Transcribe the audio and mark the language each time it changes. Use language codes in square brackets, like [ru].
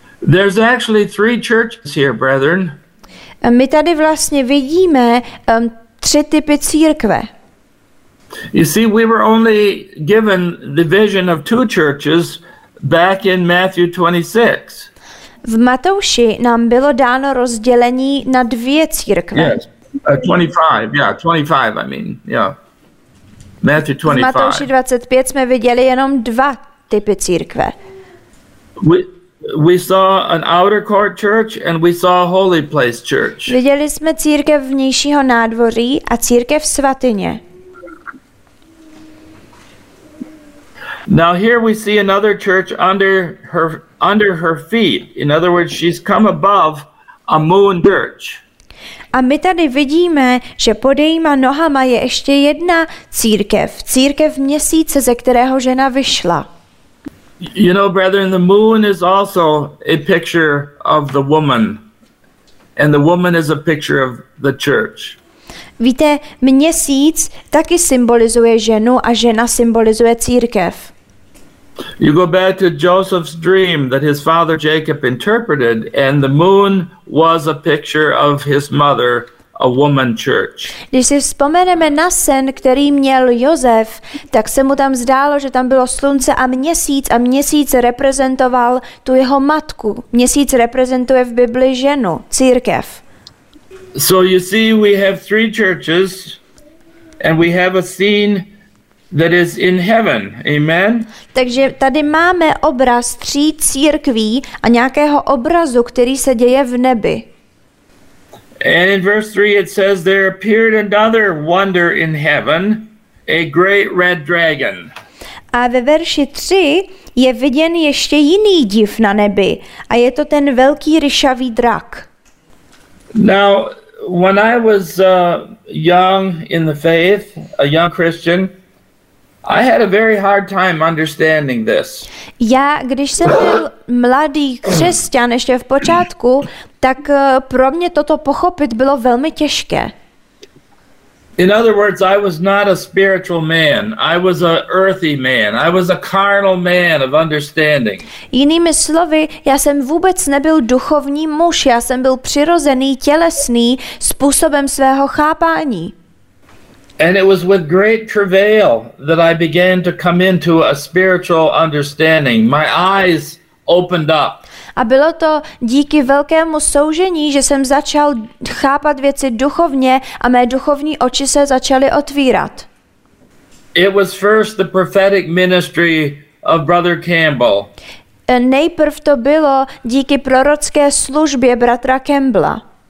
[en] There's actually three churches here, brethren. [cs] My tady vlastně vidíme tři typy církve. [en] You see, we were only given the vision of two churches back in Matthew 26. [cs] V Matouši nám bylo dáno rozdělení na dvě církve. [en] Yes. 25, I mean, yeah. Matthew 25. [cs] V Matouši 25 jsme viděli jenom dva typy církve. [en] We saw an outer court church and we saw a holy place church. [cs] Viděli jsme církev vnějšího nádvoří a církev svatyně. [en] Now here we see another church under her feet. In other words, she's come above a moon church. [cs] A my tady vidíme, že pod jejíma nohama je ještě jedna církev, církev měsíce, ze kterého žena vyšla. [en] You know, brethren, the moon is also a picture of the woman, and the woman is a picture of the church. [cs] Víte, měsíc taky symbolizuje ženu a žena symbolizuje církev. [en] You go back to Joseph's dream that his father Jacob interpreted, and the moon was a picture of his mother, a woman church. [cs] Když si vzpomeneme na sen, který měl Josef, tak se mu tam zdálo, že tam bylo slunce a měsíc reprezentoval tu jeho matku. Měsíc reprezentuje v Bibli ženu, církev. [en] So you see, we have three churches, and we have a scene that is in heaven. Amen. [cs] Takže tady máme obraz tří církví a nějakého obrazu, který se děje v nebi. [en] And in verse 3 it says there appeared another wonder in heaven, a great red dragon. [cs] A ve verši 3 je viděn ještě jiný div na nebi a je to ten velký ryšavý drak. [en] Now, when I was young in the faith, a young Christian, I had a very hard time understanding this. [cs] Já, když jsem byl mladý křesťan ještě v počátku, tak pro mě toto pochopit bylo velmi těžké. [en] In other words, I was not a spiritual man. I was a earthy man. I was a carnal man of understanding. [cs] Jinými slovy, já jsem vůbec nebyl duchovní muž. Já jsem byl přirozený, tělesný způsobem svého chápání. [en] And it was with great travail that I began to come into a spiritual understanding. My eyes opened up. [cs] A bylo to díky velkému soužení, že jsem začal chápat věci duchovně a mé duchovní oči se začaly otvírat. [en] It was first the prophetic ministry of Brother Campbell. [cs] Nejprv to bylo díky prorocké službě bratra Campbella.